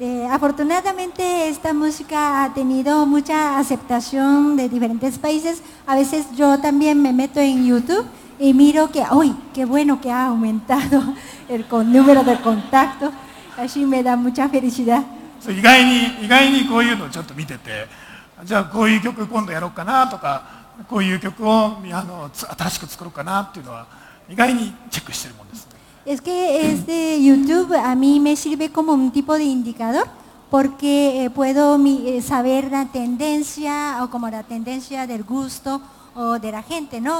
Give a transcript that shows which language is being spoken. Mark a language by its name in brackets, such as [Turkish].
[Spanish] Afortunadamente esta música ha tenido mucha aceptación de diferentes países. A veces yo también me meto en YouTube. Y miro que, ¡ay, qué bueno que ha aumentado el número de contacto! Así me da mucha felicidad. [Japanese] So, 意外にこういうのをちょっと見てて、じゃあこういう曲今度やろうかなとか、こういう曲を新しく作ろうかなっていうのは、意外にチェックしてるもんです。 [Spanish] Es que este YouTube a mí me sirve como un tipo de indicador. Porque puedo saber la tendencia o como la tendencia del gusto o de la gente, ¿no?